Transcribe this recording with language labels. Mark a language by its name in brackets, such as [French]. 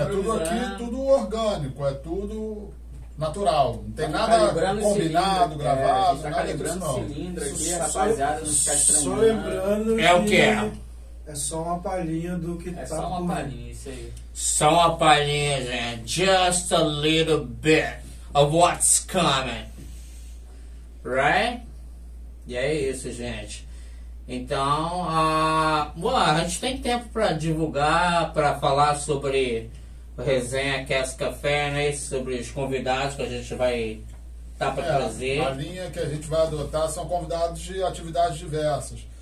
[Portuguese] improvisando. Tudo aqui, tudo orgânico, é tudo natural. Não tem nada combinado, gravado, nada disso, não. calibrando o cilindro aqui, rapaziada, não fica estranho. Só lembrando que... É o quê? É só uma palhinha do que tá... É só uma palhinha, isso aí. Só uma palhinha, gente. [English] Just a little bit of what's coming. [Portuguese] Right? E é isso, gente. Então, a gente tem tempo para divulgar, para falar sobre o Resenha Cast Café, né? Sobre os convidados que a gente vai estar para trazer. A linha que a gente vai adotar são convidados de atividades diversas.